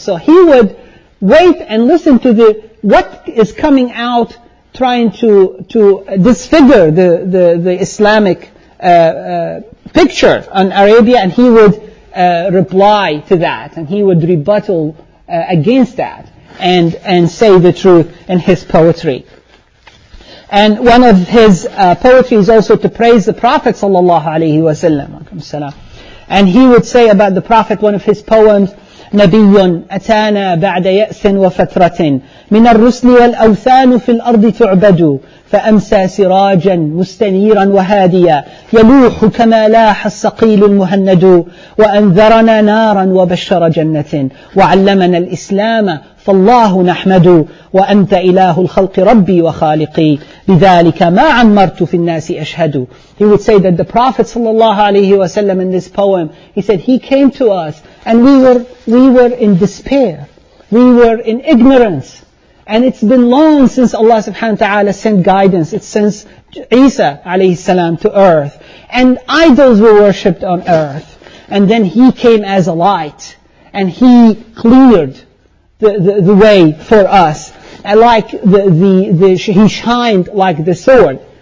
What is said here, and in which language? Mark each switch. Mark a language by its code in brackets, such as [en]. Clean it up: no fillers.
[en] So he would wait and listen to what is coming out trying to disfigure the Islamic picture on Arabia, and he would reply to that, and he would rebuttal against that and say the truth in his poetry. And one of his poetry is also to praise the Prophet sallallahu alaihi wasallam. And he would say about the Prophet, one of his poems, [ar] نَبِيٌّ أَتَانَا بَعْدَ يَأْسٍ وَفَتْرَةٍ مِنَ الرُّسْلِ وَالْأَوْثَانُ فِي الْأَرْضِ تُعْبَدُ فَأَمْسَى سِرَاجًا مُسْتَنِيرًا وَهَادِيًا يَلُوحُ كَمَا لَاحَ السَّقِيلُ الْمُهَنَّدُ وَأَنْذَرَنَا نَارًا وَبَشَّرَ جَنَّةٍ وَعَلَّمَنَا الْإِسْلَامَ فالله نحمده وأنت إله الخلق ربي وخالقي بذلك ما عمرت في الناس أشهد. [en] He would say that the Prophet sallallahu alaihi wasallam in this poem, he said he came to us and we were in despair, we were in ignorance, and it's been long since Allah subhanahu wa ta'ala sent guidance. It's since Isa alaihi salam to earth, and idols were worshipped on earth, and then he came as a light and he cleared the way for us, and like he shined like the sword